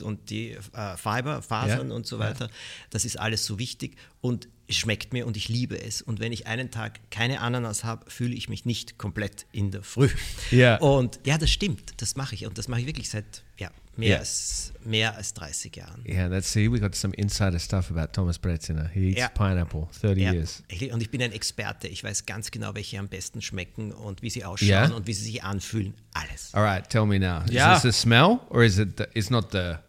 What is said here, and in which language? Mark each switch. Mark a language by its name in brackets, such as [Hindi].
[German] Und die Fasern und so weiter, das ist alles so wichtig. Und es schmeckt mir und ich liebe es. Und wenn ich einen Tag keine Ananas habe, fühle ich mich nicht komplett in der Früh. [English] Yeah. [German] Und ja, das stimmt. Das mache ich. Und das mache ich wirklich seit mehr als 30 Jahren. [English] Yeah, let's see. We got some insider stuff about Thomas Brezina. He eats pineapple 30 years. [German] Und ich bin ein Experte. Ich weiß ganz genau, welche am besten schmecken und wie sie ausschauen und wie sie sich anfühlen. Alles. [English] All right, tell me now. Yeah. Is this the smell or is it it's not the...